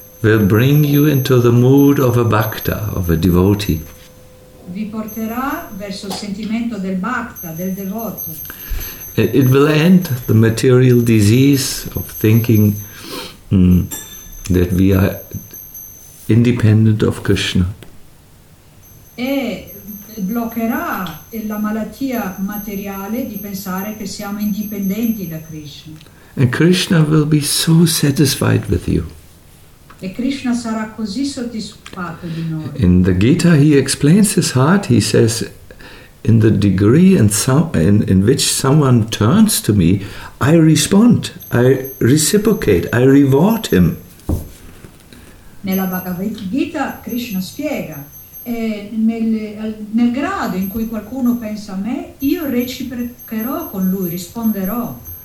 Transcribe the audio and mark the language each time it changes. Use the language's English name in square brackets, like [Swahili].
[English] Will bring you into the mood of a bhakta, of a devotee. [Italian] Vi porterà verso il sentimento del bhakta, del devoto. [English] It will end the material disease of thinking that we are independent of Krishna. [Italian] E bloccherà la malattia materiale di pensare che siamo indipendenti da Krishna. [English] And Krishna will be so satisfied with you. [Italian] E Krishna sarà così soddisfatto di noi. [English] In the Gita he explains his heart, he says, in the degree and in which someone turns to me, I respond, I reciprocate, I reward him. [Italian] Nella Bhagavad Gita Krishna spiega, nel grado in cui qualcuno pensa a me, io reciprocherò con lui, risponderò.